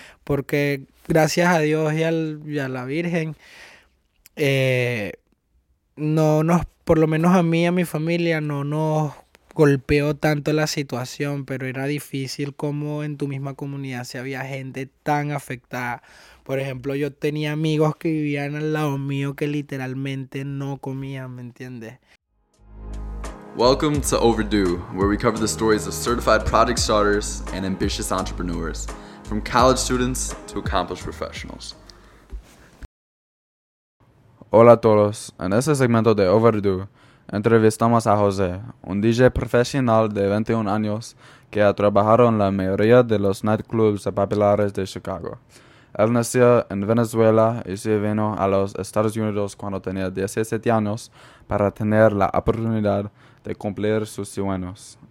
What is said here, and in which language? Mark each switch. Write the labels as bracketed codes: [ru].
[es] Porque gracias a Dios y a la Virgen, no nos, por lo menos a mí y a mi familia, no nos golpeó tanto la situación, pero era difícil como en tu misma comunidad si había gente tan afectada. Por ejemplo, yo tenía amigos que vivían al lado mío que literalmente no comían, ¿me entiendes? [en] Welcome to Overdue, where we cover the stories of certified product starters and ambitious entrepreneurs, from college students to accomplished professionals. [es] Hola a todos. En este segmento de Overdue, entrevistamos a José, un DJ profesional de 21 años que ha trabajado en la mayoría de los nightclubs populares de Chicago. Él nació en Venezuela y se vino a los Estados Unidos cuando tenía 17 años para tener la oportunidad de cumplir sus sueños.